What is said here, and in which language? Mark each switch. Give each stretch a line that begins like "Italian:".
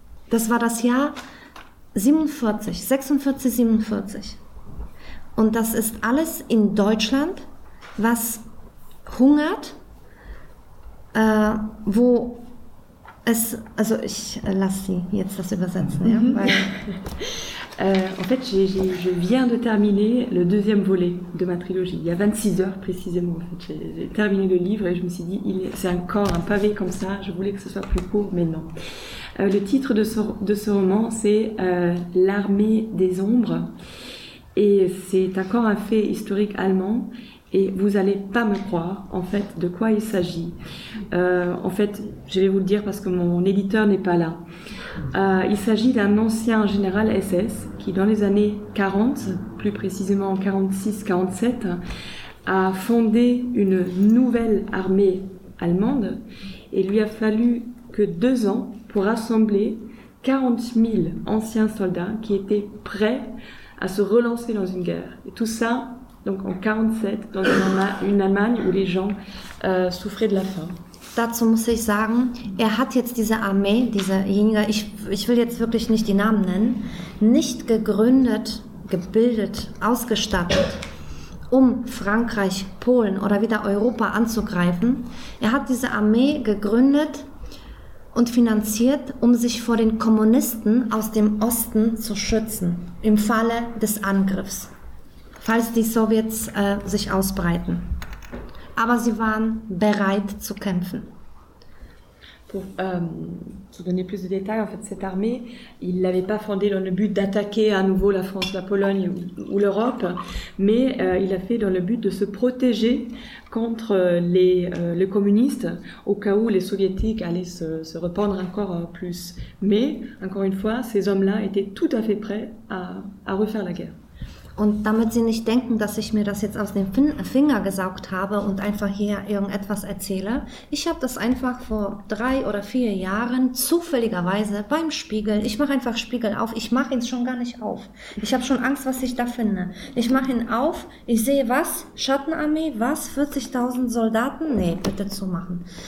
German: Das war das Jahr 46. Und das ist alles in Deutschland, was hungert, wo Also ich lasse sie jetzt das übersetzen. Mm-hmm. Ja, weil...
French: en fait, je viens de terminer le deuxième volet de ma trilogie. Il y a 26 heures précisément. En fait. J'ai terminé le livre et je me suis dit, c'est encore un pavé comme ça. Je voulais que ce soit plus court, mais non. Le titre de ce roman, c'est « L'armée des ombres ». Et c'est encore un fait historique allemand. Et vous n'allez pas me croire, en fait, de quoi il s'agit. En fait, je vais vous le dire parce que mon éditeur n'est pas là. Il s'agit d'un ancien général SS qui, dans les années 40, plus précisément en 46-47, a fondé une nouvelle armée allemande. Et lui a fallu que 2 ans pour rassembler 40 000 anciens soldats qui étaient prêts à se relancer dans une guerre. Et tout ça... Donc en 47, dans une Allemagne où les gens souffraient de la faim.
German: Dazu muss ich sagen, hat jetzt diese Armee, diesejenige, ich will jetzt wirklich nicht die Namen nennen, nicht gegründet, gebildet, ausgestattet, um Frankreich, Polen oder wieder Europa anzugreifen. Hat diese Armee gegründet und finanziert, um sich vor den Kommunisten aus dem Osten zu schützen, im Falle des Angriffs. Falls die Sowjets sich ausbreiten. Aber sie waren bereit zu kämpfen.
French: Pour vous donner plus de détails, en fait, cette armée, il ne l'avait pas fondée dans le but d'attaquer à nouveau la France, la Pologne ou l'Europe, mais il l'a fait dans le but de se protéger contre les communistes, au cas où les soviétiques allaient se rependre encore plus. Mais, encore une fois, ces hommes-là étaient tout à fait prêts à refaire la guerre.
German: Und damit Sie nicht denken, dass ich mir das jetzt aus dem Finger gesaugt habe und einfach hier irgendetwas erzähle. Ich habe das einfach vor 3 oder 4 Jahren zufälligerweise beim Spiegel, ich mache einfach Spiegel auf, ich mache ihn schon gar nicht auf. Ich habe schon Angst, was ich da finde. Ich mache ihn auf, ich sehe was, Schattenarmee, was, 40.000 Soldaten, nee, bitte zumachen.